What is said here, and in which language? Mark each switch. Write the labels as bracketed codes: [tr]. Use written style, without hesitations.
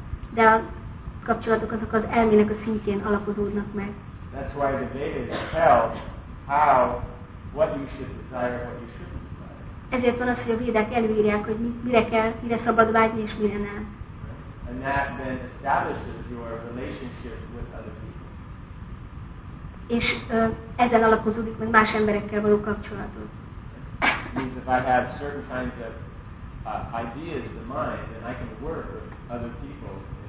[hu] De a kapcsolatok azok az elmének a szintjén alapozódnak meg. [en] That's why the Vedas tell how what you should desire, what you shouldn't desire. [hu] Ezért van az, hogy a védák előírják, hogy mire kell, mire szabad vágyni és mire nem. [en] And that then establishes your relationship with other people. [hu] És ezen alapozódik meg más emberekkel való kapcsolatot. [en] Means if I have certain kinds of ideas in mind, then I can work with other people.